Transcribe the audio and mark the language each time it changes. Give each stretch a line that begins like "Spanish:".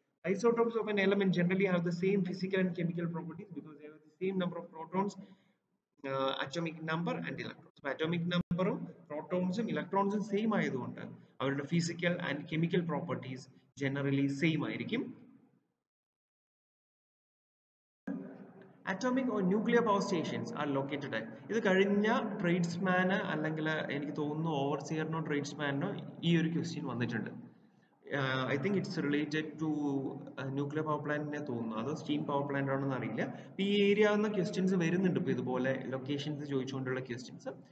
English: Isotopes of an element generally have the same physical and chemical properties because they have the same number of protons, atomic number and electrons.
Malayalam: Atomic നമ്പറും പ്രോട്ടോൺസും ഇലക്ട്രോൺസും same ആയതുകൊണ്ട് അവരുടെ physical and chemical properties generally same ആയിരിക്കും.
English: Atomic or nuclear power stations are located at.
Malayalam: ഇത് കഴിഞ്ഞ ട്രേഡ്സ്മാന് അല്ലെങ്കിൽ എനിക്ക് തോന്നുന്നു ഓവർസിയറിനോ ട്രേഡ്സ്മാനോ ഈ ഒരു ക്വസ്റ്റ്യൻ വന്നിട്ടുണ്ട്.
English: I think it's related to
Malayalam: nuclear power പ്ലാന്റിനെ തോന്നുന്നു, അതോ സ്റ്റീം പവർ പ്ലാന്റ് ആണെന്ന് അറിയില്ല. അപ്പൊ ഈ ഏരിയ എന്ന ക്വസ്റ്റ്യൻസ് വരുന്നുണ്ട്, ഇപ്പൊ ഇതുപോലെ ലൊക്കേഷൻസ് ചോദിച്ചുകൊണ്ടുള്ള ക്വസ്റ്റ്യൻസ്.